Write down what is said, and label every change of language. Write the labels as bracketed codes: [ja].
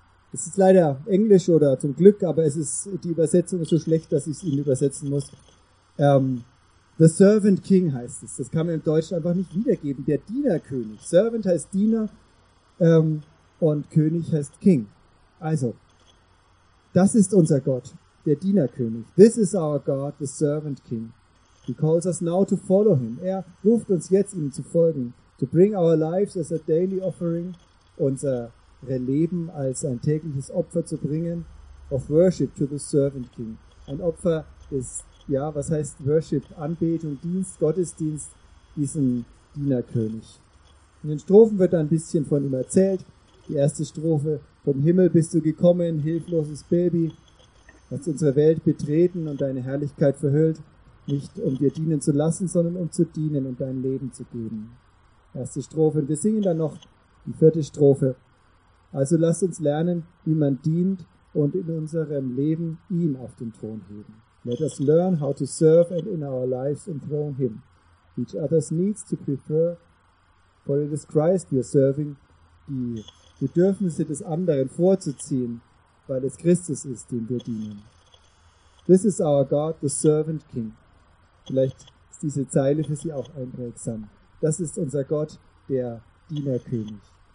[de] Es ist leider Englisch oder zum Glück, aber es ist, die Übersetzung ist so schlecht, dass ich es Ihnen übersetzen muss. The Servant King heißt es. Das kann man im Deutschen einfach nicht wiedergeben. Der Dienerkönig. Servant heißt Diener und König heißt King. Also, das ist unser Gott, der Dienerkönig. [en] This is our God, the Servant King. He calls us now to follow him. [de] Er ruft uns jetzt, ihm zu folgen. [en] To bring our lives as a daily offering, [de] unsere Leben als ein tägliches Opfer zu bringen, [en] of worship to the Servant King. [de] Ein Opfer ist, ja, was heißt Worship? Anbetung, Dienst, Gottesdienst, diesen Dienerkönig. In den Strophen wird ein bisschen von ihm erzählt. Die erste Strophe, vom Himmel bist du gekommen, hilfloses Baby, hast unsere Welt betreten und deine Herrlichkeit verhüllt, nicht um dir dienen zu lassen, sondern um zu dienen und dein Leben zu geben. Erste Strophe, und wir singen dann noch die vierte Strophe. Also lasst uns lernen, wie man dient und in unserem Leben ihn auf den Thron heben. [en] Let us learn how to serve and in our lives enthrone him. Each other's needs to prefer, for it is Christ we are serving, [de] die Bedürfnisse des anderen vorzuziehen, weil es Christus ist, dem wir dienen. [en] This is our God, the Servant King. [de] Vielleicht ist diese Zeile für Sie auch einprägsam. Das ist unser Gott, der Dienerkönig.